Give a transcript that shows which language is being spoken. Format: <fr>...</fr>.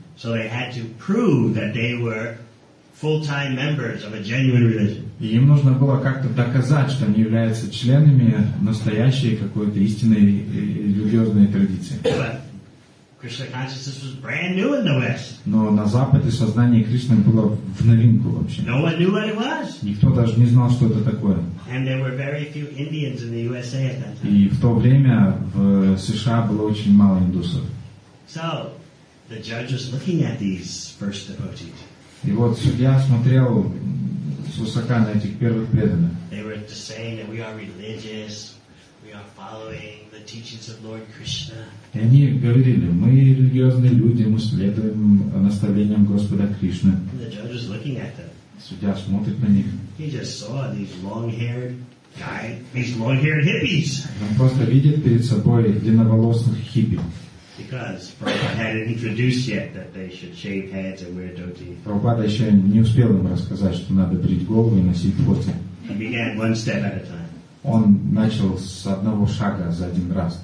<en>So they had to prove that they were full-time members of a genuine religion.</en> <ru>И им нужно было как-то доказать, что они являются членами настоящей какой-то истинной религиозной традиции.</ru> <en>But Krishna consciousness was brand new in the West.</en> <ru>Но на Западе сознание Кришны было в новинку вообще.</ru> <en>No one knew what it was.</en> <ru>Никто даже не знал, что это такое.</ru> <en>And there were very few Indians in the USA at that time.</en> <ru>И в то время в США было очень мало индусов.</ru> <en>So the judge was looking at these first devotees.</en> <ru>И вот судья смотрел свысока на этих первых преданных.</ru> <en>They were of just saying that we are religious, we are following the teachings of Lord Krishna.</en> <ru>И они говорили, мы религиозные люди, мы следуем наставлениям Господа Кришны.</ru> <en>The judge was looking at them.</en> <ru>Судья смотрит на них.</ru> <en>He just saw these long-haired guy, these long-haired hippies.</en> <ru>Он просто видит перед собой длинноволосых хиппи.</ru> <en>Because Prabhupada hadn't introduced yet that they should shave heads and wear dhoti.</en> <ru>Прабхупада еще не успел им рассказать, что надо брить голову и носить дхоти.</ru> <en>He began one step at a time.</en> <ru>Он начал с одного шага за один раз.</ru>